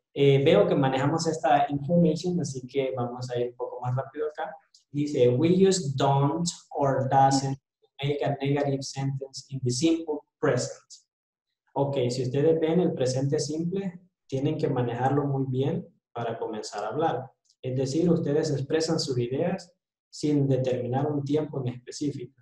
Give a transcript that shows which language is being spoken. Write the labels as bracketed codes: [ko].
[es] Veo que manejamos esta información, así que vamos a ir un poco más rápido acá. [en] Dice, we use don't or doesn't to make a negative sentence in the simple present. [es] Ok, si ustedes ven el presente simple, tienen que manejarlo muy bien para comenzar a hablar. Es decir, ustedes expresan sus ideas sin determinar un tiempo en específico.